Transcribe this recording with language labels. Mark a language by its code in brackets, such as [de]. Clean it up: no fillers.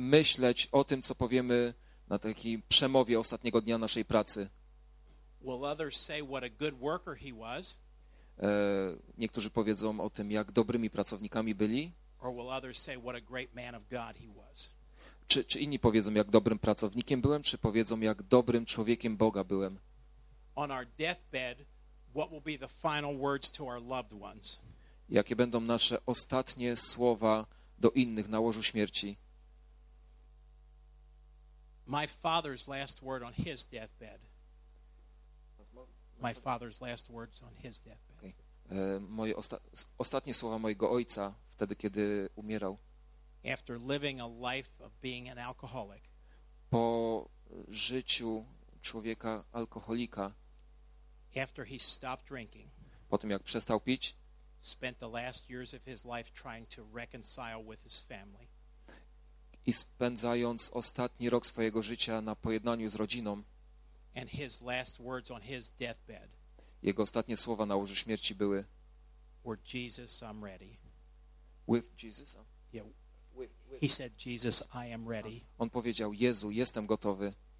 [pl] myśleć o tym, co powiemy na takiej przemowie ostatniego dnia naszej pracy. [en] Will others say what a good worker he was? [pl] Niektórzy powiedzą o tym, jak dobrymi pracownikami byli. [en] Or will others say what a great man of God he was? [pl] Czy inni powiedzą, jak dobrym pracownikiem byłem, czy powiedzą, jak dobrym człowiekiem Boga byłem? [en] On our deathbed, what will be the final words to our loved ones? [pl] Jakie będą nasze ostatnie słowa do innych na łożu śmierci? [en] My father's last word on his deathbed. My father's last words on his deathbed. Okay. [pl] Ostatnie słowa mojego ojca wtedy, kiedy umierał. [en] After living a life of being an alcoholic. [pl] Po życiu człowieka alkoholika. [en] After he stopped drinking. [pl] Po tym, jak przestał pić. [en] Spent the last years of his life trying to reconcile with his family. [pl] I spędzając ostatni rok swojego życia na pojednaniu z rodziną. [en] And his last words on his deathbed. [pl] Jego ostatnie słowa na łożu śmierci były. [en] Were Jesus, I'm ready. With Jesus. Yeah. With. He said, Jesus, I am ready. [pl] On powiedział, Jezu, jestem gotowy.